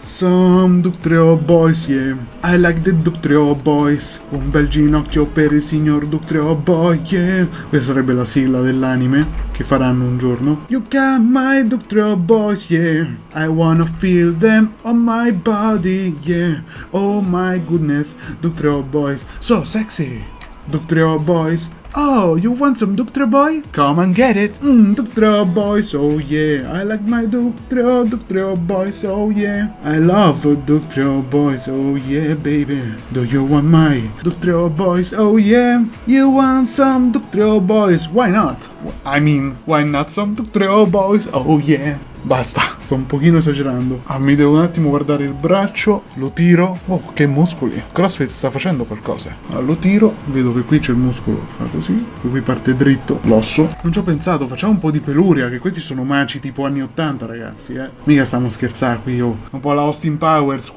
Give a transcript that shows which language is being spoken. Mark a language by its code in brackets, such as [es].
[en] Some Ductreo Boys, yeah. I like the Ductreo Boys. [it] Un bel ginocchio per il signor Ductreo Boy, yeah. Questa sarebbe la sigla dell'anime che faranno un giorno. [en] You got my Ductreo Boys, yeah. I wanna feel them on my body, yeah. Oh my goodness, Ductreo Boys. So sexy! Ductreo Boys. Oh, you want some Ductreo Boy? Come and get it! Ductreo Boys, oh yeah! I like my Ductreo Boys, oh yeah! I love Ductreo Boys, oh yeah, baby! Do you want my Ductreo Boys, oh yeah! You want some Ductreo Boys, why not? I mean, why not some Ductreo Boys, oh yeah! [it] Basta, sto un pochino esagerando. Ah, mi devo un attimo guardare il braccio. Lo tiro. Oh, che muscoli. CrossFit sta facendo qualcosa. Allora, lo tiro. Vedo che qui c'è il muscolo. Fa così. Qui parte dritto l'osso. Non ci ho pensato. Facciamo un po' di peluria. Che questi sono maci tipo anni 80, ragazzi, eh. Mica stiamo scherzando qui, oh. Un po' la Austin Powers.